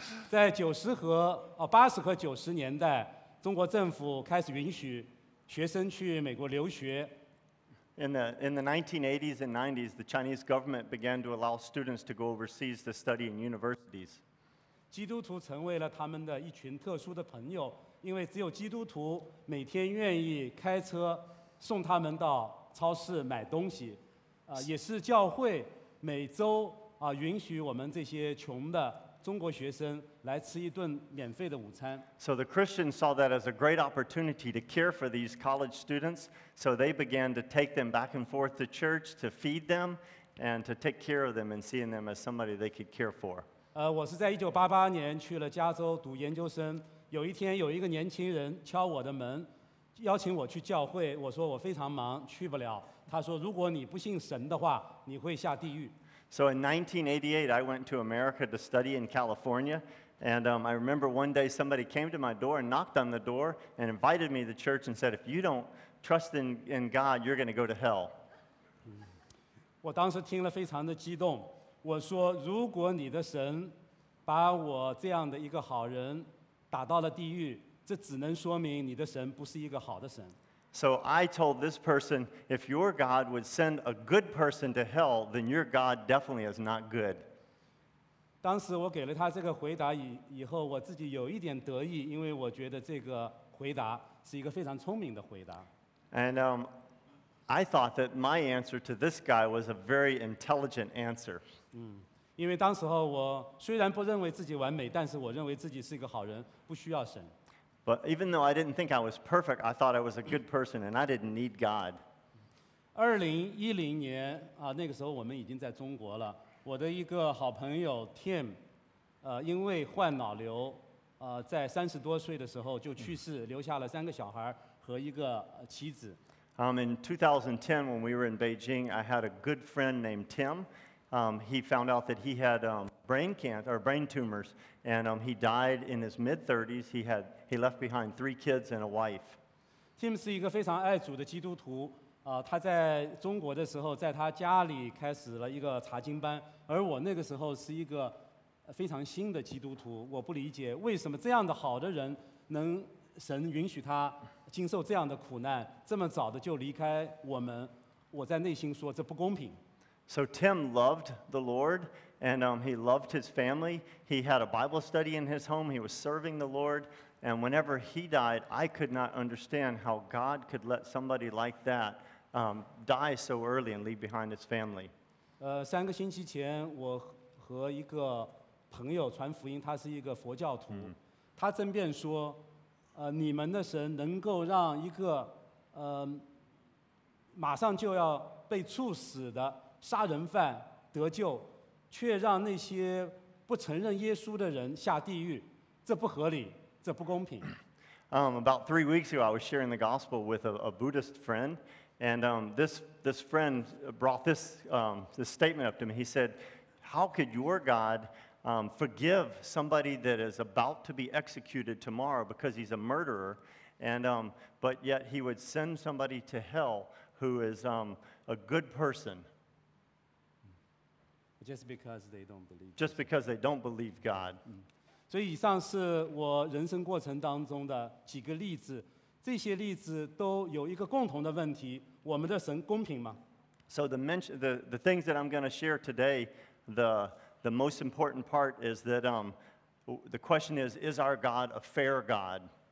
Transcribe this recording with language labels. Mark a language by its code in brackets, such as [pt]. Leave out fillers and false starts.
[zh] 在八十和九十年代，中国政府开始允许学生去美国留学。 [en] In the 1980s and 90s, the Chinese government began to allow students to go overseas to study in universities. [zh] 基督徒成为了他们的一群特殊的朋友，因为只有基督徒每天愿意开车送他们到超市买东西。也是教会每周允许我们这些穷的中国学生来吃一顿免费的午餐。 [en] So the Christians saw that as a great opportunity to care for these college students, so they began to take them back and forth to church to feed them and to take care of them and seeing them as somebody they could care for. [zh] 我是在1988年去了加州读研究生，有一天有一个年轻人敲我的门，邀请我去教会，我说我非常忙，去不了。他说如果你不信神的话，你会下地狱。 [en] So in 1988, I went to America to study in California, and I remember one day somebody came to my door and knocked on the door and invited me to church and said, if you don't trust in God, you're going to go to hell. [zh] 我当时听了非常的激动，我说如果你的神把我这样的一个好人打到了地狱，这只能说明你的神不是一个好的神。 [en] So I told this person, if your God would send a good person to hell, then your God definitely is not good. [zh] 当时我给了他这个回答以后，我自己有一点得意，因为我觉得这个回答是一个非常聪明的回答。 [en] And I thought that my answer to this guy was a very intelligent answer. [zh] 因为当时候我虽然不认为自己完美，但是我认为自己是一个好人，不需要神。 [en] But even though I didn't think I was perfect, I thought I was a good person and I didn't need God. [zh] 2010年，那个时候我们已经在中国了。我的一个好朋友 Tim, 因为患脑瘤，在30多岁的时候就去世，留下了三个小孩和一个妻子。 [en] In 2010, when we were in Beijing, I had a good friend named Tim. He found out that he had brain tumors, and he died in his mid-30s. He left behind three kids and a wife. [zh] Tim 是一个非常爱主的基督徒。他在中国的时候，在他家里开始了一个查经班。而我那个时候是一个非常新的基督徒。我不理解为什么这样的好的人，能神允许他经受这样的苦难，这么早的就离开我们。我在内心说这不公平。 [en] So Tim loved the Lord, and he loved his family. He had a Bible study in his home. He was serving the Lord. And whenever he died, I could not understand how God could let somebody like that die so early and leave behind his family. [zh] 三个星期前，我和一个朋友传福音，他是一个佛教徒。他争辩说，你们的神能够让一个马上就要被处死的杀人犯得救，却让那些不承认耶稣的人下地狱，这不合理，这不公平。 [en] About 3 weeks ago, I was sharing the gospel with a Buddhist friend, and this friend brought this statement up to me. He said, "How could your God forgive somebody that is about to be executed tomorrow because he's a murderer, and but yet he would send somebody to hell who is a good person?" Just because they don't believe. Just because they don't believe God. [zh] 所以以上是我人生过程当中的几个例子，这些例子都有一个共同的问题：我们的神公平吗 [en] ？So the things that I'm going to share today, the most important part is that the question is our God a fair God?